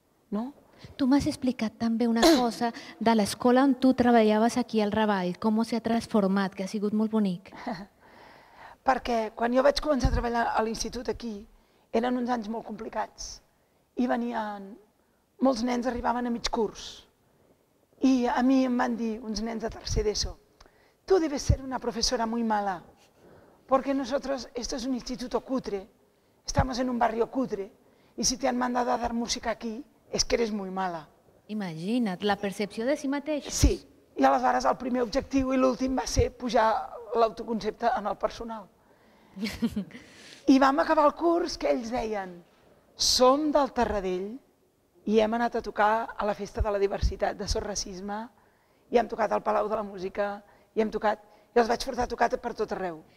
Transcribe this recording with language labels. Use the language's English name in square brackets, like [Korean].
[Catalan] No? Tu m'has explicat també una cosa de l'escola on tu treballaves aquí al Raval, com s'ha transformat, que ha sigut molt bonic. Perquè quan jo vaig començar a treballar a l'institut aquí, eren uns anys molt complicats i venien... Molts nens arribaven a mig curs i a mi em van dir uns nens de tercer d'ESO: [Spanish] tu debes ser una professora muy mala, porque nosotros, esto es un instituto cutre, estamos en un barrio cutre, y si te han mandado a dar música aquí, es que eres muy mala. [Catalan] Imagina't, la percepció de si mateix. Sí, i aleshores el primer objectiu i l'últim va ser pujar l'autoconcepte en el personal. I vam acabar el curs que ells deien: som del Terradell i hem anat a tocar a la Festa de la Diversitat de Sor Racisme, i hem tocat al Palau de la Música, i hem tocat, i els vaig portar a tocar per tot arreu.